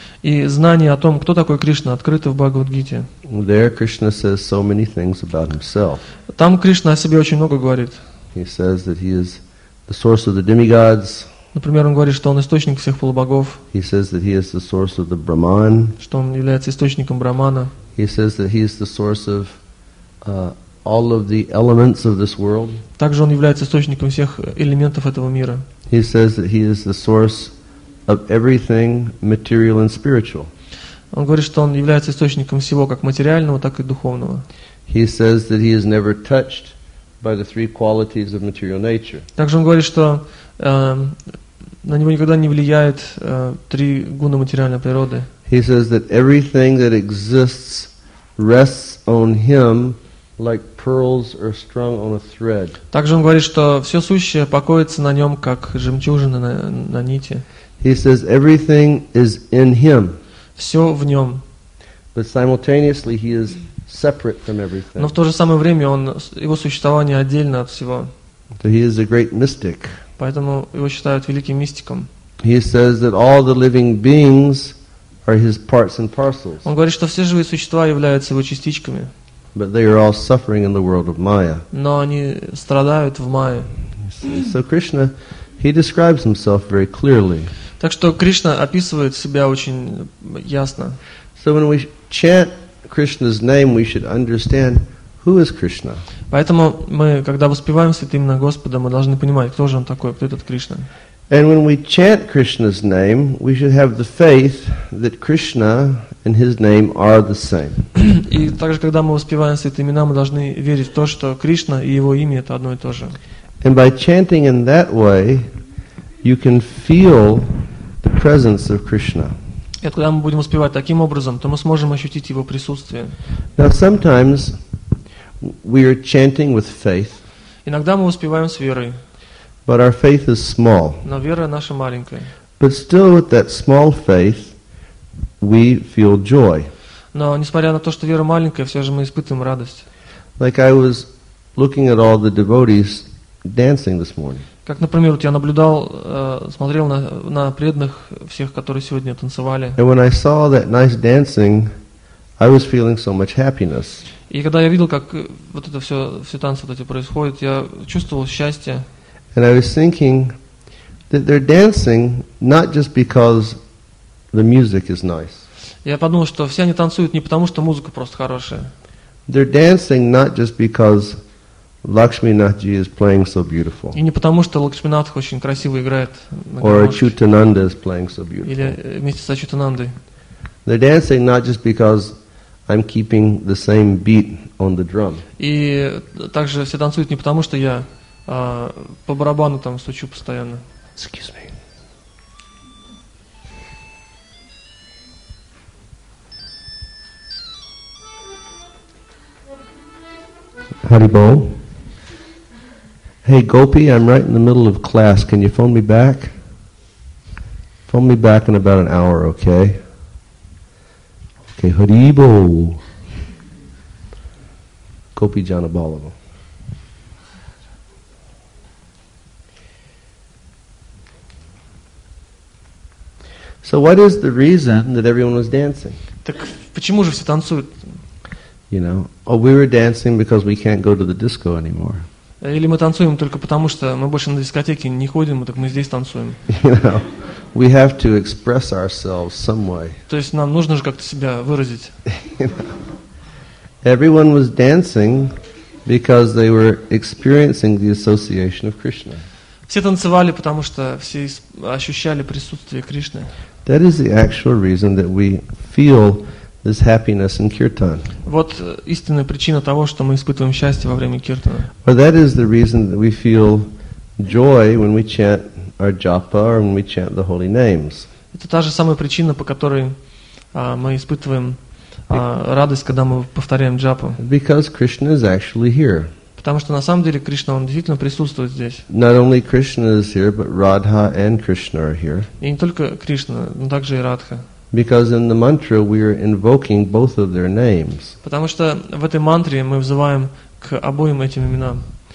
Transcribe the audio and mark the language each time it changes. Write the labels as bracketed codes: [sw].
[ru] И знание о том, кто такой Кришна, открыто в Бхагавад Гите. [en] There Krishna says so many things about himself. [ru] Там Кришна о себе очень много говорит. [en] He says that he is the source of the demigods. [ru] Например, он говорит, что он источник всех полубогов. [en] He says that he is the source of the Brahman. [ru] Что он является источником Брахмана. [en] He says that he is the source of all of the elements of this world. [ru] Также он является источником всех элементов этого мира. [en] He says that he is the source of everything material and spiritual. [ru] Он говорит, что он является источником всего, как материального, так и духовного. [en] He says that he is never touched by the three qualities of material nature. [ru] Также он говорит, что на него никогда не влияет три гуна материальной природы. [en] He says that everything that exists rests on him like pearls are strung on a thread. [ru] Также он говорит, что все сущее покоится на нем, как жемчужины на нити. [en] He says everything is in him. [ru] Все в нем. [en] But simultaneously he is separate from everything. [ru] Но в то же самое время он его существование отдельно от всего. [en] So he is a great mystic. [ru] Поэтому его считают великим мистиком. [en] He says that all the living beings are his parts and parcels. [ru] Он говорит, что все живые существа являются его частичками. [en] But they are all suffering in the world of Maya. [ru] Но они страдают в Майе. [en] So Krishna, he describes himself very clearly. [ru] Так что Кришна описывает себя очень ясно. [en] So when we chant Krishna's name, we should understand who is Krishna. [ru] Поэтому мы, когда воспеваем святое имя Господа, мы должны понимать, кто же он такой, кто этот Кришна. [en] And when we chant Krishna's name, we should have the faith that Krishna and his name are the same. [ru] И также, когда мы воспеваем святые имена, мы должны верить в то, что Кришна и его имя это одно и то же. [en] And by chanting in that way, you can feel the presence of Krishna. [ru] И когда мы будем воспевать таким образом, то мы сможем ощутить его присутствие. [en] Now sometimes we are chanting with faith. [ru] Иногда мы воспеваем с верой. [en] But our faith is small. [ru] Но вера наша маленькая. [en] But still with that small faith, we feel joy. [ru] Но несмотря на то, что вера маленькая, все же мы испытываем радость. [en] Like I was looking at all the devotees dancing this morning. [ru] Как, например, вот я наблюдал, смотрел на преданных всех, которые сегодня танцевали. [en] And when I saw that nice dancing, I was feeling so much happiness. [ru] И когда я видел, как вот это все танцы вот эти происходят, я чувствовал счастье. [en] And I was thinking that they're dancing not just because the music is nice. [ru] Я подумал, что все они танцуют не потому, что музыка просто хорошая. [en] They're dancing not just because Lakshminathji is playing so beautiful. [ru] И не потому, что Лакшминатх очень красиво играет. [en] Or Achyutananda is playing so beautiful. [ru] Или вместе с Ачютанандой. [en] They're dancing not just because I'm keeping the same beat on the drum. [ru] И также все танцуют не потому, что я по барабану там стучу постоянно. [en] Excuse me. Hari Bol. Hey Gopi, I'm right in the middle of class. Can you phone me back? Phone me back in about an hour, okay? Okay, Hari Bol. Gopi Janabalam. So what is the reason that everyone was dancing? [ru] Так почему же все танцуют? [en] You know, oh, we were dancing because we can't go to the disco anymore. [ru] Или мы танцуем только потому, что мы больше на дискотеке не ходим, так мы здесь танцуем. [en] You know, we have to express ourselves some way. [ru] То есть нам нужно же как-то себя выразить. [en] Everyone was dancing because they were experiencing the association of Krishna. [ru] Все танцевали, потому что все ощущали присутствие Кришны. [en] That is the actual reason that we feel this happiness in kirtan. [ru] Вот истинная причина того, что мы испытываем счастье во время киртана. [en] But that is the reason that we feel joy when we chant our japa or when we chant the holy names. [ru] Это та же самая причина, по которой мы испытываем радость, когда мы повторяем джапу. [en] Because Krishna is actually here. [ru] Потому что на самом деле Кришна, он действительно присутствует здесь. [en] Not only Krishna is here, but Radha and Krishna are here. [ru] И не только Кришна, но также и Радха. [en] Because in the mantra we are invoking both of their names. [ru] Потому что в этой мантре мы взываем к обоим этим именам.